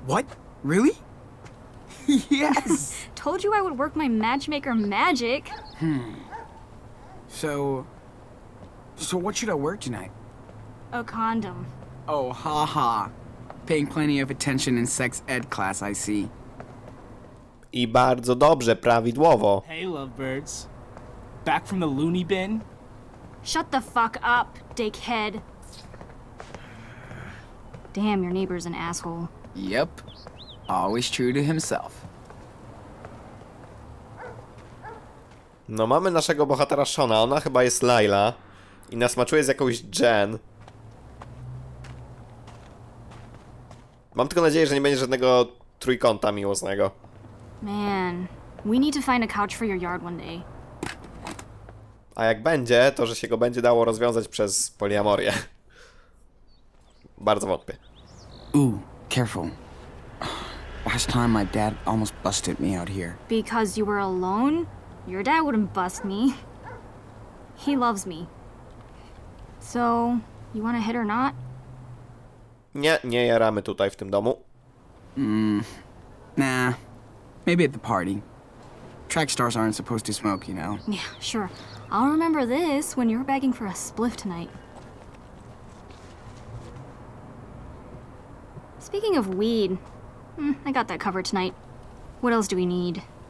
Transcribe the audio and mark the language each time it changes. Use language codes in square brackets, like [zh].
[en] What? Really? Yes. Told you I would work my matchmaker magic. Hmm. So what should I wear tonight? A condom. Oh, haha. Paying plenty of attention in sex ed class, I see. [pl] I bardzo dobrze, prawidłowo. [en] Hey, lovebirds. Back from the loony bin? Shut the fuck up, dickhead. Damn, your neighbor's an asshole. Yep. Always true to himself. [pl] No, mamy naszego bohatera Shona. Ona chyba jest Laila. I nasmaczuje z jakąś Jen. Mam tylko nadzieję, że nie będzie żadnego trójkąta miłosnego. [en] Man, we need to find a couch for your yard one day. [pl] A jak będzie, to że się go będzie dało rozwiązać przez poliamorię. Bardzo wątpię. [en] Ooh, careful. Last time my dad almost busted me out here. Because you were alone? Your dad wouldn't bust me. He loves me. So, you wanna hit or not? [pl] Nie, nie jaramy tutaj w tym domu. [en] Nah. Maybe at the party. Track stars aren't supposed to smoke, you know. Yeah, sure. I'll remember this when you're begging for a spliff tonight. Speaking of weed, I got that covered tonight. What else do we need?